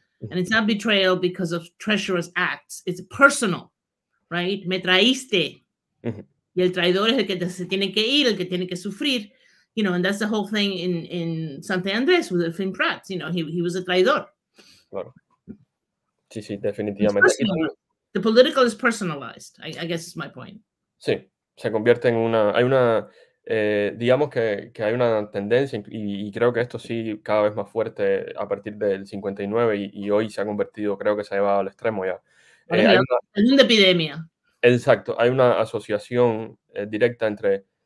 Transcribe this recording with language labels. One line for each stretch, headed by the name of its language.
English: And it's not betrayal because of treacherous acts, it's personal, right?
Spanish: Me traíste. Y el traidor es el que se tiene que ir, el que tiene que sufrir.
English: You know, and that's the whole thing in Santa Andrés with the film Prats. You know, he was a traidor.
Spanish: Claro. Sí, sí, definitivamente.
English: The political is personalized, I guess is my point.
Spanish: Sí, se convierte en una... Hay una... digamos que hay una tendencia, y creo que esto sí cada vez más fuerte a partir del 59 y hoy se ha convertido, creo que se ha llevado al extremo ya. Es una epidemia. Exacto, hay una asociación directa entre...